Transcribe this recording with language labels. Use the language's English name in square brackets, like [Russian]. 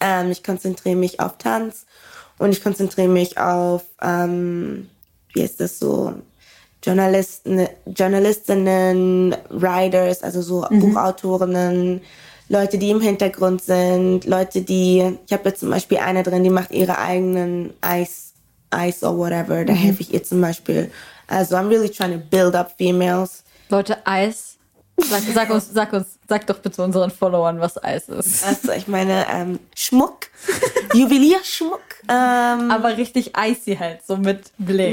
[German] Ich konzentriere mich auf Tanz. Und ich konzentriere mich auf, wie heißt das so, Journalistinnen, Writers, also so Buchautorinnen, Leute, die im Hintergrund sind, Leute, die, ich habe jetzt zum Beispiel eine drin, die macht ihre eigenen Ice [English] or whatever, [German] da helfe ich ihr zum Beispiel. [English] Also I'm really trying to build up females. [German] Leute, Ice, sag doch bitte unseren Followern, was Ice ist. Also ich meine, Schmuck, Juwelierschmuck. Aber richtig icy halt, so mit Bling.